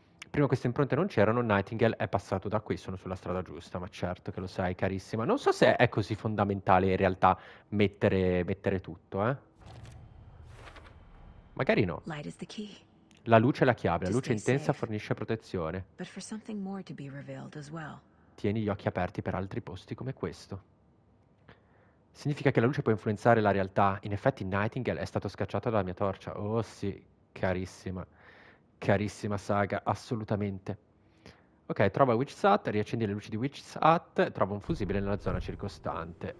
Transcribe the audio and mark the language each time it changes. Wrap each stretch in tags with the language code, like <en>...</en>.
<it>Prima queste impronte non c'erano, Nightingale è passato da qui, sono sulla strada giusta, ma certo che lo sai, carissima. Non so se è così fondamentale in realtà mettere tutto, eh. Magari no.</it> <en>Light is the key.</en> <it>La luce è la chiave, la luce intensa</it> <en>safe,</en> <it>fornisce protezione.</it> <en>But for something more to be revealed as well.</en> <it>Tieni gli occhi aperti per altri posti come questo. Significa che la luce può influenzare la realtà. In effetti Nightingale è stato scacciato dalla mia torcia. Oh sì, carissima. Carissima saga, assolutamente. Ok, trova Witch's Hut, riaccendi le luci di Witch's Hut, trova un fusibile nella zona circostante.</it>